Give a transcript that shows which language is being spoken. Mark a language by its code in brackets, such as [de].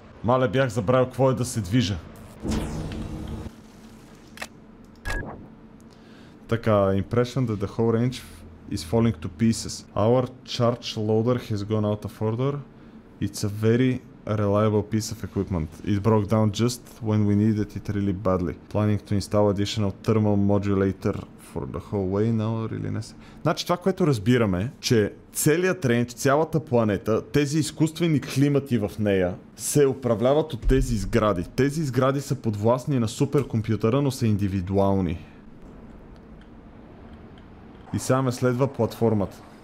[bg] Мале, бях забравил какво е да се движа. Така, [en] impression that the whole range is falling to pieces. Our charge loader has gone out of order. It's a very reliable piece of equipment. It broke down just when we needed it really badly. Planning to install additional thermal modulator for the whole way now, really nice. [bg] Значи това, което разбираме, че целият тренд, цялата планета, тези изкуствени климати в нея се управляват от тези сгради. Тези сгради са подвластни на суперкомпютъра, но са индивидуални. И сега ме следва платформата.